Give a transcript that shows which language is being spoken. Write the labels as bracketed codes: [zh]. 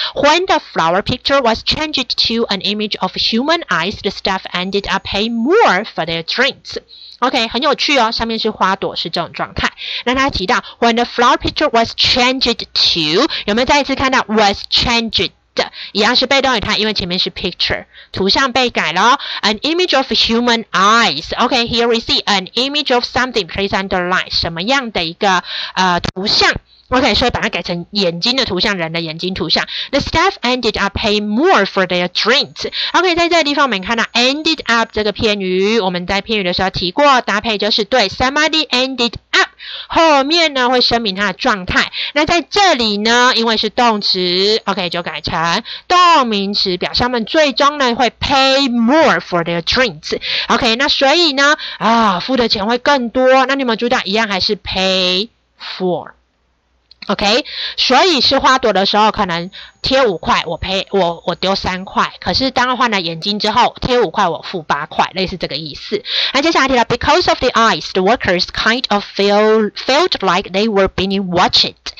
[en] when the flower picture was changed to an image of human eyes， the staff ended up paying more for their drinks。 [zh] OK， 很有趣哦，上面是花朵，是这种状态。那他提到 [en] when the flower picture was changed to， [zh] 有没有再一次看到 was changed 的，一样是被动语态，因为前面是 picture， 图像被改了。 [en] An image of human eyes. OK, here we see an image of something placed underline [zh] 什么样的一个图像。 OK, 所以把它改成眼睛的图像，人的眼睛图像。 [en] The staff ended up paying more for their drinks. [zh] OK, 在这个地方我们看到 ended up 这个片语，我们在片语的时候提过，搭配就是对 [en] somebody ended up [zh] 后面呢会声明它的状态。那在这里呢，因为是动词 ，OK, 就改成动名词，表示他们最终呢会 [en] pay more for their drinks. [zh] OK, 那所以呢付的钱会更多。那你有没有注意到，一样还是 pay for。 OK, 所以是花朵的时候可能贴五块我丢三块，可是当换了眼睛之后贴五块我付八块，类似这个意思。那接下来提到 [en] Because of the eyes, the workers kind of felt like they were being watched.